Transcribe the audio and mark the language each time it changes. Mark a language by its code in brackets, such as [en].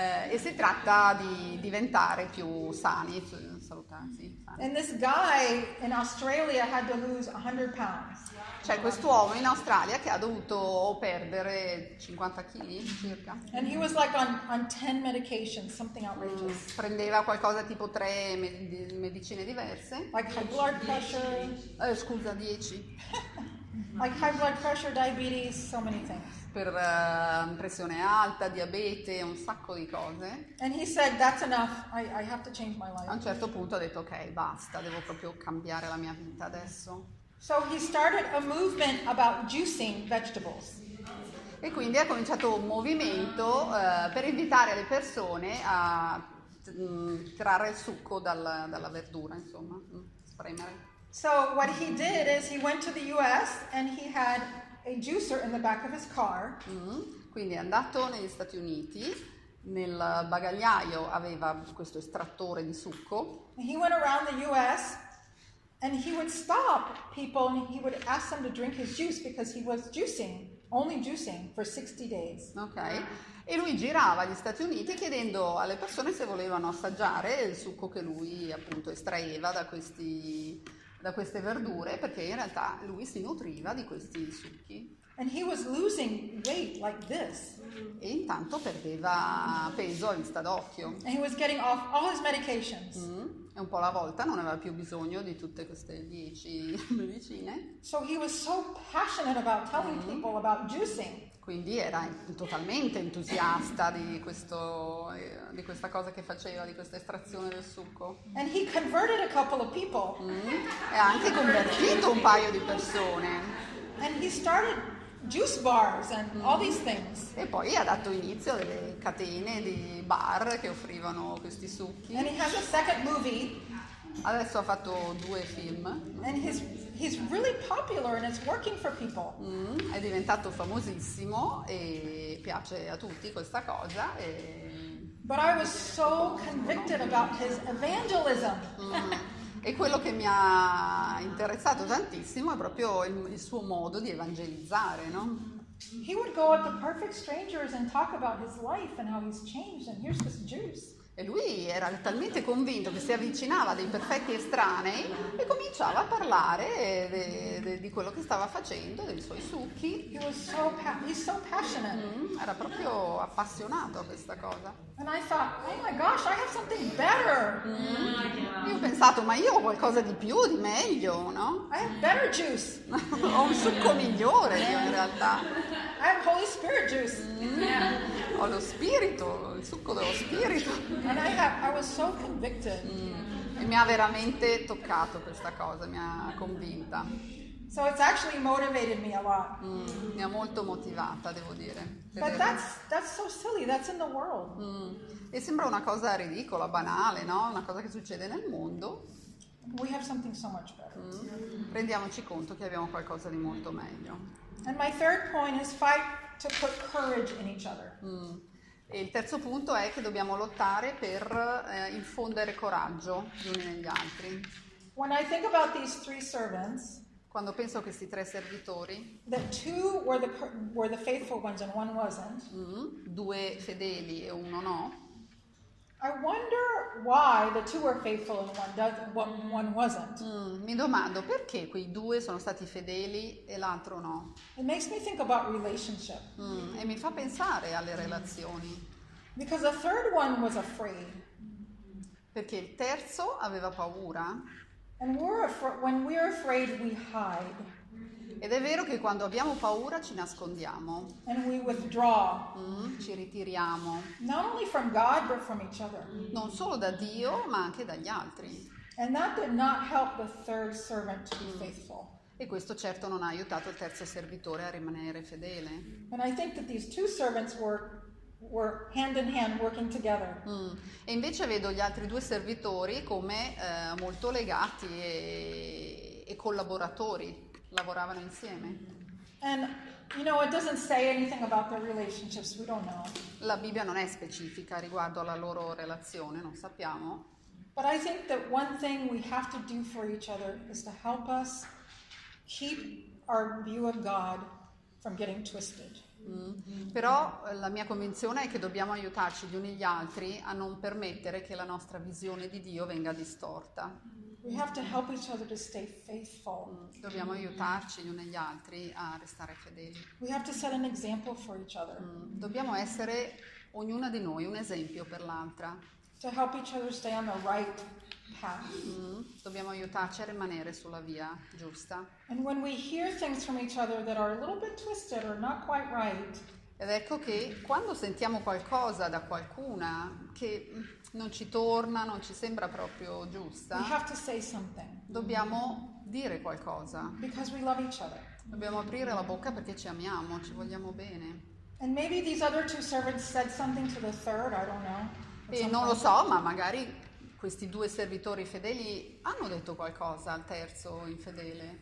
[it] E si tratta di diventare più sani, salutati. [en] And this guy in Australia had to lose 100 pounds. [it] C'è quest'uomo in Australia che ha dovuto perdere 50 kg circa. [en] And he was like on 10 medications, something outrageous. [it] Prendeva qualcosa tipo 3 medicine diverse. [en] Like high blood pressure. [it] Scusa, 10. [en] Like high blood pressure, diabetes, so many things. [it] Per pressione alta, diabete, un sacco di cose. [en] And he said, that's enough, I have to change my life. [it] A un certo punto ha detto, ok, basta, devo proprio cambiare la mia vita adesso. [en] So he started a movement about juicing vegetables. [it] E quindi ha cominciato un movimento per invitare le persone a trarre il succo dalla verdura, insomma, spremere. [en] So what he did is he went to the US and he had a juicer in the back of his car. [it] Quindi è andato negli Stati Uniti, nel bagagliaio aveva questo estrattore di succo. [en] And he went around the US and he would stop people and he would ask them to drink his juice because he was juicing, only juicing for 60 days. Ok. [it] E lui girava gli Stati Uniti chiedendo alle persone se volevano assaggiare il succo che lui appunto estraeva da queste verdure, perché in realtà lui si nutriva di questi succhi. [en] And he was losing weight like this. [it] E intanto perdeva peso in stadocchio. [en] And he was getting off all his medications. [it] E un po' alla volta non aveva più bisogno di tutte queste 10 medicine. [en] So he was so passionate about telling people about juicing. [it] Quindi era totalmente entusiasta di questo, di questa cosa che faceva, di questa estrazione del succo. [en] And he converted a couple of people. [it] E ha anche convertito un paio di persone. [en] And he started juice bars and all these things. [it] E poi ha dato inizio alle catene di bar che offrivano questi succhi. [en] And he has a second movie. [it] Adesso ha fatto due film. [en] And he's really popular and it's working for people. [it] È diventato famosissimo e piace a tutti questa cosa. E... [en] But I was so convicted about his evangelism. [it] E quello che mi ha interessato tantissimo è proprio il suo modo di evangelizzare, no? [en] He would go up to perfect strangers and talk about his life and how he's changed and here's this juice. [it] E lui era talmente convinto che si avvicinava a dei perfetti estranei e cominciava a parlare di quello che stava facendo, dei suoi succhi. [en] He was so so passionate. [it] Era proprio appassionato a questa cosa. [en] And I thought, oh my gosh, I have something better. [it] Io ho pensato, ma io ho qualcosa di più, di meglio, no? [en] I have better juice. [it] Ho un succo migliore, in realtà. [en] I have Holy Spirit juice. [it] Ho lo spirito, il succo dello spirito. [en] And I was so convicted. [it] E mi ha veramente toccato questa cosa, mi ha convinta. [en] So it's actually motivated me a lot. [it] Mi ha molto motivata, devo dire. [en] But that's so silly, that's in the world. [it] E sembra una cosa ridicola, banale, no? Una cosa che succede nel mondo. [en] We have something so much better. [it] Rendiamoci conto che abbiamo qualcosa di molto meglio. [en] And my third point is fight to put courage in each other. [it] E il terzo punto è che dobbiamo lottare per infondere coraggio gli uni negli altri. [en] When I think about these three servants, [it] quando penso a questi tre servitori, [en] that two were the faithful ones and one wasn't, [it] due fedeli e uno no, [en] I wonder why the two were faithful and one doesn't, one wasn't. [it] Mi domando perché quei due sono stati fedeli e l'altro no. [en] It makes me think about relationship. [it] E mi fa pensare alle relazioni. [en] Because the third one was afraid. [it] Perché il terzo aveva paura. [en] And when we're afraid, we hide. [it] Ed è vero che quando abbiamo paura ci nascondiamo. [en] And we withdraw. [it] Ci ritiriamo. [en] Not only from God, but from each other. [it] Non solo da Dio, ma anche dagli altri. [en] And that did not help the third servant to be faithful. [it] E questo certo non ha aiutato il terzo servitore a rimanere fedele. [en] And I think that these two servants were hand in hand working together. [it] E invece vedo gli altri due servitori come molto legati e collaboratori. Lavoravano insieme. [en] And you know, it doesn't say anything about their relationships. We don't know. [it] La Bibbia non è specifica riguardo alla loro relazione, non sappiamo. [en] But I think that one thing we have to do for each other is to help us keep our view of God from getting twisted. [it] Però la mia convinzione è che dobbiamo aiutarci gli uni gli altri a non permettere che la nostra visione di Dio venga distorta. [en] We have to help each other to stay faithful. [it] Dobbiamo aiutarci gli uni gli altri a restare fedeli. [en] We have to set an example for each other. [it] Dobbiamo essere ognuna di noi un esempio per l'altra. [en] To help each other stay on the right path. [it] Dobbiamo aiutarci a rimanere sulla via giusta. [en] And when we hear things from each other that are a little bit twisted or not quite right. [it] Ed ecco che quando sentiamo qualcosa da qualcuna che non ci torna, non ci sembra proprio giusta, [en] we have to say something. [it] Dobbiamo dire qualcosa. [en] Because we love each other. [it] Dobbiamo aprire la bocca perché ci amiamo, ci vogliamo bene. [en] And maybe these other two servants said something to the third, I don't know. [it] E non lo so, ma magari questi due servitori fedeli hanno detto qualcosa al terzo infedele.